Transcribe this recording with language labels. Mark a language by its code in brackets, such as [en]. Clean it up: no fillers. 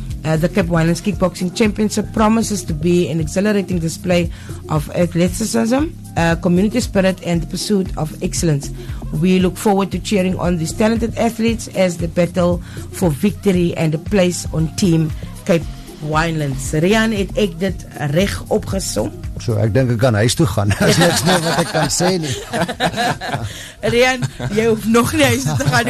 [en] The Cape Winelands Kickboxing Championship promises to be an exhilarating display of athleticism, community spirit and the pursuit of excellence. We look forward to cheering on these talented athletes as they battle for victory and a place on Team Cape Winelands. [af] Rian, het ek dit reg opgesom? So, ek dink ek kan huis toe gaan. Dat is niks meer wat ek kan sê nie. Rian, jy hoef nog nie huis te gaan.